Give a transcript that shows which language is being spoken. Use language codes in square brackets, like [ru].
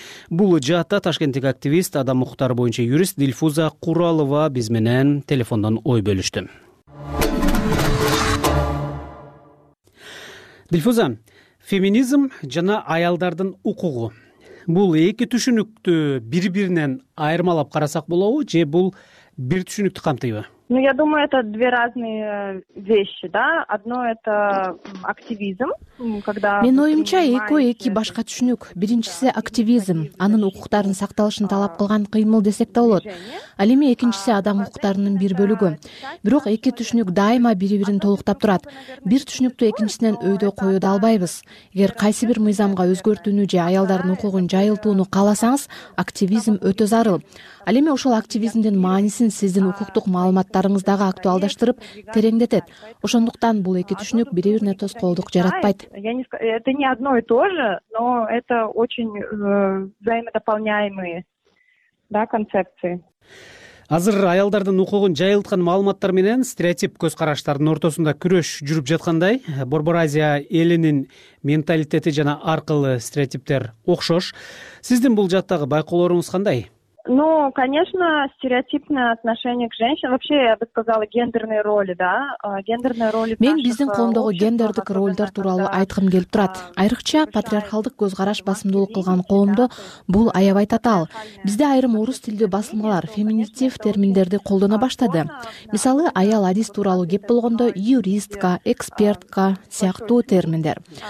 [ky] Бул жаатта ташкенттик активист, адам укуктары боюнча юрист Дилфуза Куралова биз менен телефондон ой бөлүштү. Дилфуза, феминизм жана аялдардын укугу. Бул эки түшүнүктү бири-биринен айырмалап карасак болобу же бул бир түшүнүктү камтыйбы? [ru] Ну, я думаю, это две разные вещи, да. Одно это активизм, когда... [ky] Мен оюмча, эки башка түшүнүк. Биринчиси активизм, анын укуктарын сакталышын талап кылган кыймыл десек да болот. Ал эми экинчиси адам укуктарынын бир бөлүгү. Бирок эки түшүнүк дайыма бири-бирин толуктап турат. Бир түшүнүктү экинчисинен өйдө коюуда албайбыз. Эгер кайсы бир мыйзамга өзгөртүүнү же аялдардын укугун жайылтууну кааласаңыз, активизм өтө зарыл. Ал эми ошол активизмдин маанисин сиздин укуктук маалыматтарыңыздагы актуалдаштырып тереңдетет. Ошондуктан бул эки түшүнүк бири-бирине тоскоолдук жаратпайт. [ru] Это не одно и то же, но это очень взаимодополняемые, да, концепции. [ky] Азыр аялдардын укугун жайылткан маалыматтар менен стереотип көз караштардын ортосунда күрөш жүрүп жаткандай, Борбор Азия элинин менталитети жана ар кылуу стереотиптер окшош. Сиздин бул жааттагы байкоолоруңуз кандай? [ru] Ну, конечно, стереотипное отношение к женщинам. Вообще, я бы сказала, гендерные роли, да? Гендерные роли. [ky] Мен биздин коомдогу гендердик ролдор тууралуу айткым келип турат. Айрыкча патриархалдык көз караш басымдуулук кылган коомдо бул аябай татаал. Бизде айрым орус тилдүү басылмалар феминитив терминдерди колдоно баштады. Мисалы, аял адис тууралуу кеп болгондо юристка, экспертка сыяктуу терминдер.